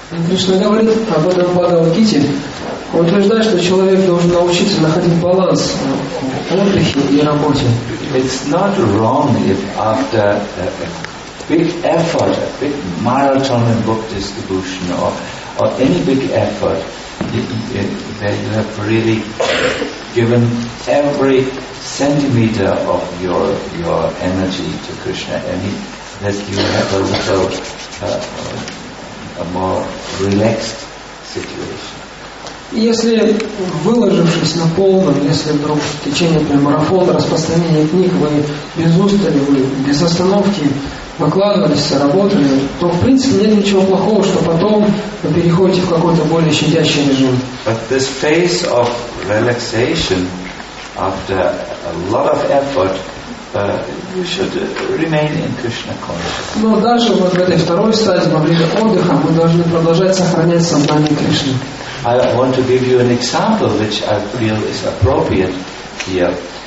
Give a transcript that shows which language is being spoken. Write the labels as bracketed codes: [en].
[ru] Кришна говорит об этом Бхагавад-гите. Он утверждает, что человек должен научиться находить баланс в отдыхе и работе. [en] It's not wrong if after a big effort, a big marathon in book distribution or any big effort, that you have really given every centimeter of your energy to Krishna, and that you have a little a more relaxed situation. [ru] Если выложившись на полном, если вдруг в течение марафона распространения книг вы без устали, вы без остановки выкладывались, работали, то в принципе нет ничего плохого, что потом вы переходите в какой-то более щадящий режим. [en] But this phase of relaxation after a lot of effort, you should remain in Krishna consciousness. [ru] Но даже вот в этой второй стадии, поближе к отдыху, мы должны продолжать сохранять сознание Кришны. [en] I want to give you an example which I feel is appropriate here.